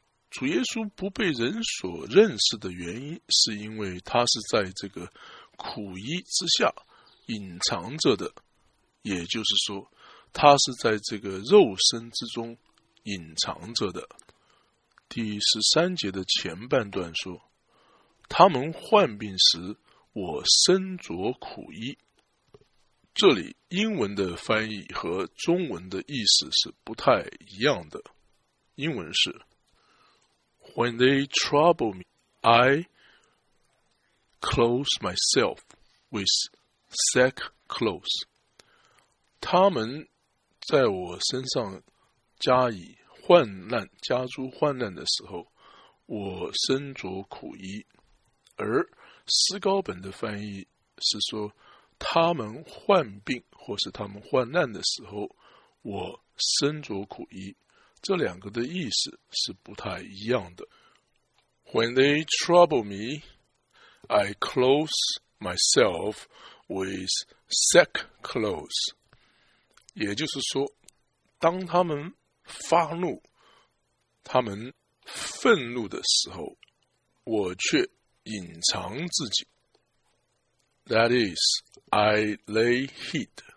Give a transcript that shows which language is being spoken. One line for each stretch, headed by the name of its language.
Chinese: 主耶稣不被人所认识的原因，是因为他是在这个苦衣之下隐藏着的，也就是说，他是在这个肉身之中隐藏着的。第十三节的前半段说，他们患病时，我身着苦衣。这里英文的翻译和中文的意思是不太一样的。英文是
English: When they trouble me, I clothe myself with sack clothes.
Chinese: 他们在我身上加以患难，加诸患难的时候，我身着苦衣。而诗高本的翻译是说，他们患病或是他们患难的时候，我身着苦衣。这两个的意思是不太一样的。
English: When they trouble me, I clothe myself with sack clothes.
Chinese: 也就是说，当他们发怒，他们愤怒的时候，我却隐藏自己。
English: That is, I lay hid.